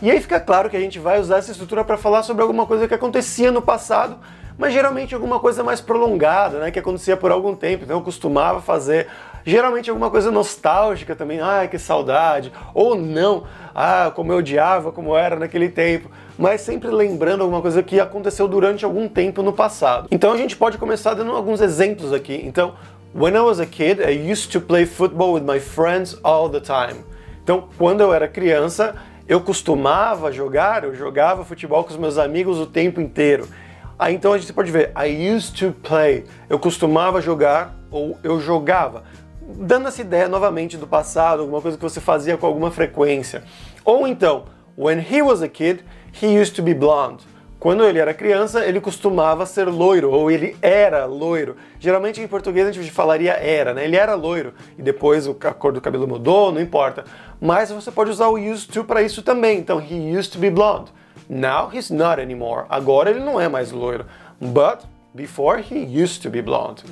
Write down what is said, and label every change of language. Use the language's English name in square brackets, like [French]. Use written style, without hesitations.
[Portuguese] E aí fica claro que a gente vai usar essa estrutura para falar sobre alguma coisa que acontecia no passado, mas geralmente alguma coisa mais prolongada, né, que acontecia por algum tempo. Então eu costumava fazer, geralmente alguma coisa nostálgica também, ai que saudade, ou não, ah, como eu odiava, como era naquele tempo, mas sempre lembrando alguma coisa que aconteceu durante algum tempo no passado. Então a gente pode começar dando alguns exemplos aqui. Então, [English] when I was a kid, I used to play football with my friends all the time. [Portuguese] Então, quando eu era criança, eu costumava jogar, eu jogava futebol com os meus amigos o tempo inteiro. Aí então a gente pode ver, [English] I used to play, [Portuguese] eu costumava jogar ou eu jogava. Dando essa ideia novamente do passado, alguma coisa que você fazia com alguma frequência. Ou então, [English] when he was a kid, he used to be blonde. [Portuguese] Quando ele era criança, ele costumava ser loiro, ou ele era loiro. Geralmente em português a gente falaria era, né? Ele era loiro. E depois a cor do cabelo mudou, não importa. Mas você pode usar o used to para isso também. Então, [English] he used to be blonde. Now he's not anymore. [Portuguese] Agora ele não é mais loiro. [English] But before he used to be blonde.